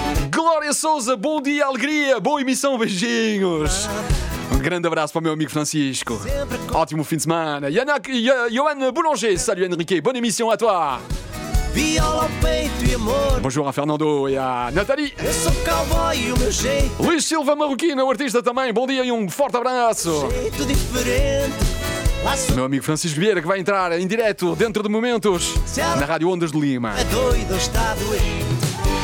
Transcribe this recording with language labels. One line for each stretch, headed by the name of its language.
Portuguese: Glória Souza, bom dia, alegria, boa emissão, beijinhos. Um grande abraço para o meu amigo Francisco. Ótimo fim de semana.
French: Joanne Boulanger, salut Henrique, bonne émission à toi.
Portuguese: Viola ao peito e amor. Bonjour a Fernando e a Nathalie. Eu sou cowboy, o meu jeito. Luís Silva Marroquino, o artista também, bom dia e um forte abraço. Jeito diferente. O meu amigo Francisco Vieira, que vai entrar em direto dentro de momentos na Rádio Ondas de Lima. É doido, está doente.